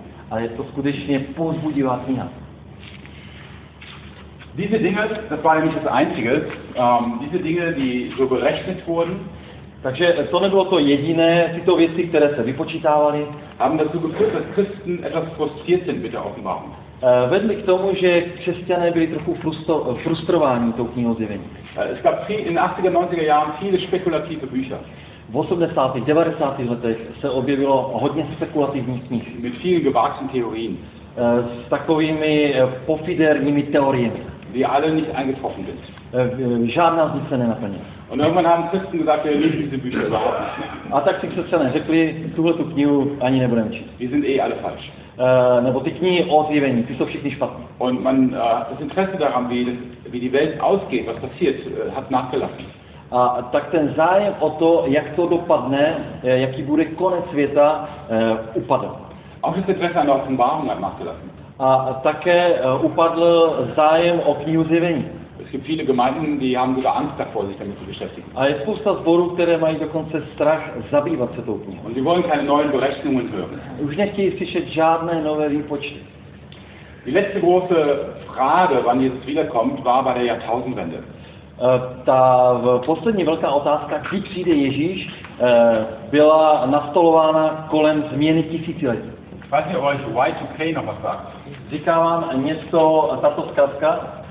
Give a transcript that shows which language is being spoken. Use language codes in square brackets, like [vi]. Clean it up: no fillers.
[cs] A je to skutečně povzbudivá kniha. [de] Diese Dinge, das war nicht das einzige, diese Dinge, die so berechnet wurden, [cs] takže to nebylo to jediné, tyto věci, které se vypočítávaly, [de] haben dazu geführt, dass Christen etwas frustriert sind mit der Offenbarung. [cs] Vedli k tomu, že křesťané byli trochu frustrováni tou knihou zjevení. [de] Es gab in 80er, 90er Jahren viele spekulative Bücher. [cs] V 80. 90. letech se objevilo hodně spekulativních knih. [de] Mit vielen gewagten Theorien. [cs] S takovými pofidérními teoriemi. [de] Die alle nicht eingetroffen sind. [cs] Žádná z nich se nenaplnila. [de] Und irgendwann haben Christen gesagt, wir lesen diese Bücher überhaupt nicht. [cs] A tak si křesťané řekli, tuhletu knihu ani nebudeme číst. [de] Wir sind eh alle falsch. [cs] Nebo ty knihy o zjevení, ty jsou všichni špatné. [de] Und man das Interesse daran, wie die Welt ausgeht, was passiert, hat nachgelassen. [cs] A tak ten zájem o to, jak to dopadne, jaký bude konec světa, upadl. [de] Auch das Interesse an der Offenbarung hat nachgelassen. [cs] A také upadl zájem o knihu zjevení. [de] Es gibt viele Gemeinden, die haben sogar Angst davor, sich damit zu beschäftigen. [cs] A je spousta zborů, které mají dokonce strach zabývat se tou knihou. [de] Und sie wollen keine neuen Berechnungen hören. [cs] Už nechtějí slyšet žádné nové výpočty. [de] Die letzte große Frage, wann Jesus wiederkommt, war bei der Jahrtausendwende. [cs] Ta poslední velká otázka, kdy přijde Ježíš, byla nastolována kolem změny tisíciletí. [de] Weiß nicht, ob euch Y2K noch was sagt. [cs] Říká vám něco tato zkazka?